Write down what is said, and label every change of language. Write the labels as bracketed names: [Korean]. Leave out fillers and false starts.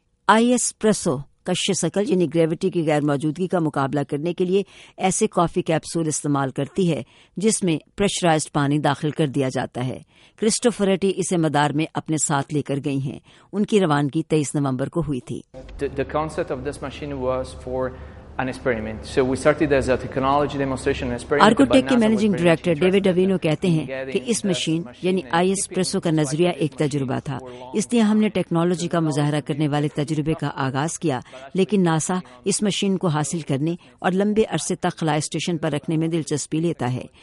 [Urdu] I S پریسو کشش ثقل یعنی گریویٹی کی غیر موجودگی کا مقابلہ کرنے کے لیے ایسے کافی کیپسول استعمال کرتی ہے جس میں پریشرائزڈ پانی داخل کر دیا جاتا ہے. کرسٹوفریٹی اسے مدار میں اپنے ساتھ لے کر گئی ہیں، ان کی روانگی 23 نومبر کو ہوئی تھی. [English] The concept of this machine was for an experiment. So we started as a technology demonstration experiment. [Urdu] آرگوٹیک کے مینیجنگ ڈائریکٹر ڈیوڈ ڈوینو کہتے ہیں کہ اس مشین یعنی آئی ایس پریسو کا نظریہ ایک تجربہ تھا، اس لیے ہم نے ٹیکنالوجی کا مظاہرہ کرنے والے تجربے کا آغاز کیا، لیکن ناسا اس مشین کو حاصل کرنے اور لمبے عرصے تک خلائی اسٹیشن پر رکھنے میں دلچسپی لیتا ہے.